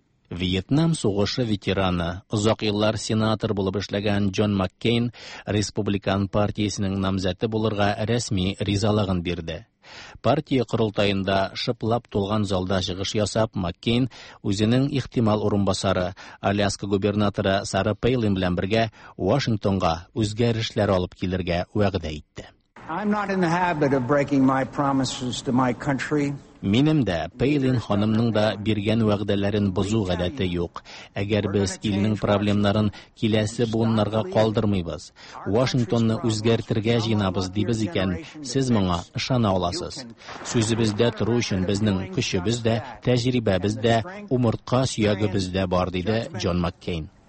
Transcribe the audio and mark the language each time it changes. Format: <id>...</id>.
<tt>Вьетнам сугышы ветераны, озак еллар сенатор булып эшләгән Джон Маккейн Республикан партиясенең нәмзәте булырга рәсми ризалыгын бирде. Партия курултаенда шыплап тулган залда чыгыш ясап, Маккейн үзенең ихтимал урынбасары Аляска губернаторы Сара Пейлин белән бергә Вашингтонга үзгәрешләр алып килергә вәгъдә итте.</tt> <en>I'm not in the habit of breaking my promises to my country.</en> <tt>Минем дә Пейлин ханымның да биргән вәгъдәләрен бозу гадәте юк. Әгәр без илнең проблемнарын киләсе буыннарга калдырмыйбыз, Вашингтонны үзгәртергә җыенабыз дибез икән, сез моңа ышана аласыз. Сүзебездә тору өчен безнең көчебез дә, тәҗрибәбез дә, умыртка сөягебез дә бар, диде Джон Маккейн.</tt>